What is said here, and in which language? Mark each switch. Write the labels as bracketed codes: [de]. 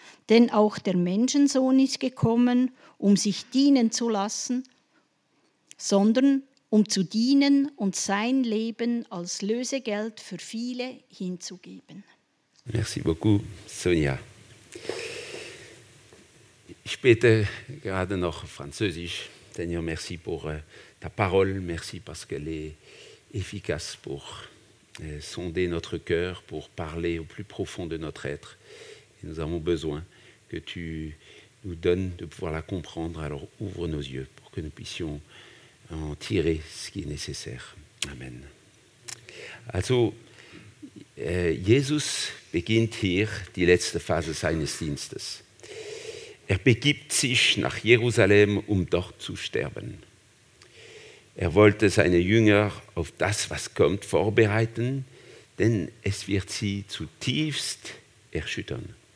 [de] Denn auch der Menschensohn ist gekommen, um sich dienen zu lassen, sondern um zu dienen und sein Leben als Lösegeld für viele hinzugeben.» [fr] Merci beaucoup, Sonja. [de] Ich bete gerade noch Französisch. [fr] Seigneur, merci pour ta parole, merci parce qu'elle est efficace pour sonder notre cœur, pour parler au plus profond de notre être. Et nous avons besoin que tu nous donnes de pouvoir la comprendre, alors ouvre nos yeux pour que nous puissions en tirer ce qui est nécessaire. Amen. [de] Also, Jesus beginnt hier die letzte Phase seines Dienstes. Er begibt sich nach Jerusalem, um dort zu sterben. Er wollte seine Jünger auf das, was kommt, vorbereiten, denn es wird sie zutiefst erschüttern.